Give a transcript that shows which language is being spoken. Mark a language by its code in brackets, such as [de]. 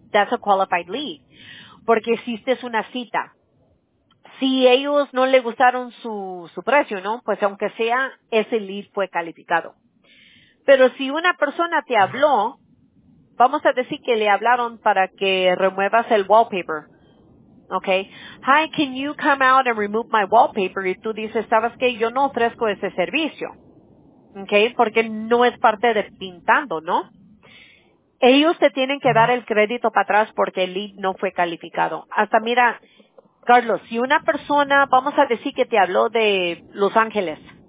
[en] That's a qualified lead. [es] Porque hiciste una cita. Si ellos no le gustaron su precio, ¿no? Pues aunque sea, ese lead fue calificado. Pero si una persona te habló, vamos a decir que le hablaron para que remuevas el wallpaper. [en] Okay, hi, can you come out and remove my wallpaper? [es] Y tú dices, ¿sabes qué? Yo no ofrezco ese servicio. Okay, porque no es parte de pintando, ¿no? Ellos te tienen que dar el crédito para atrás porque el lead no fue calificado. Hasta mira, Carlos, si una persona, vamos a decir que te habló de Los Ángeles.